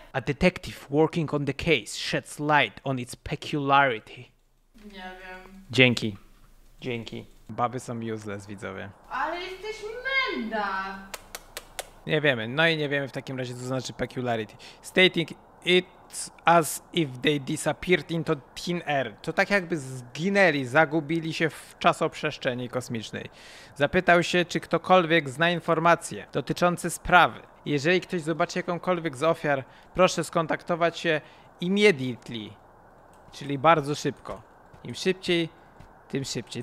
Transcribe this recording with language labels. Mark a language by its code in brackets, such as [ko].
[en] A detective working on the case sheds light on its peculiarity. [pl] Nie wiem. Dzięki. Dzięki. Baby są useless, widzowie. Ale jesteś menda! Nie wiemy. No i nie wiemy w takim razie, co znaczy peculiarity. [en] Stating it's as if they disappeared into thin air. [pl] To tak jakby zginęli, zagubili się w czasoprzestrzeni kosmicznej. Zapytał się, czy ktokolwiek zna informacje dotyczące sprawy. Jeżeli ktoś zobaczy jakąkolwiek z ofiar, proszę skontaktować się immediately. Czyli bardzo szybko. Im szybciej, tym szybciej.